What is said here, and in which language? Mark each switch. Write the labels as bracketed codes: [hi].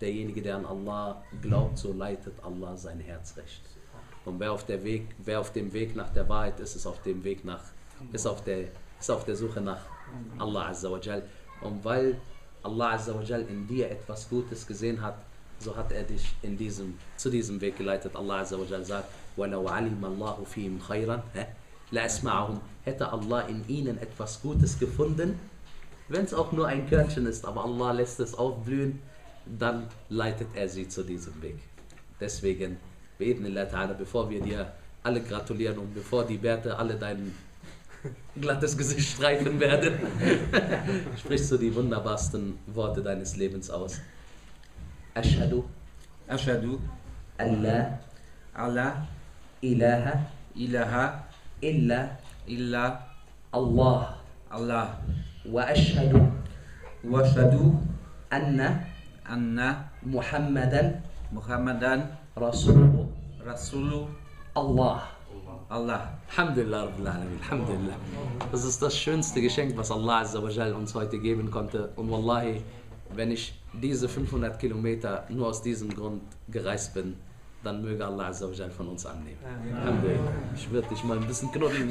[de] Derjenige, der an Allah glaubt, so leitet Allah sein Herz recht. Und wer auf dem Weg nach der Wahrheit ist, ist auf der Suche nach Allah Azza wa Jal. Und weil Allah Azza wa Jal in dir etwas Gutes gesehen hat, so hat er dich zu diesem Weg geleitet. Allah Azza wa Jal sagt, [ar] وَلَوْ عَلِمَ اللَّهُ فِيهِمْ خَيْرًا لَأَسْمَعَهُمْ. [de] Hätte Allah in ihnen etwas Gutes gefunden, wenn es auch nur ein Körnchen ist, aber Allah lässt es aufblühen, dann leitet er sie zu diesem Weg. Deswegen, [ar] bi'idhnillah ta'ala, [de] bevor wir dir alle gratulieren und bevor die Bärte alle dein glattes Gesicht streifen werden, sprichst du die wunderbarsten Worte deines Lebens aus. [ar] Ashadu. Ashadu. Allah. Allah. Ilaha. Ilaha. Illa. Illa. Allah. Allah. وأشهد أن محمدا رسول الله الله الحمد لله رب العالمين الحمد لله. [de] Das ist das schönste Geschenk, was Allah Azza wa Jal uns heute geben konnte. Und wallahi, wenn ich diese 500 Kilometer nur aus diesem Grund gereist bin, dann möge Allah Azza wa Jal von uns annehmen. Alhamdulillah. Ich würde dich mal ein bisschen knuddeln.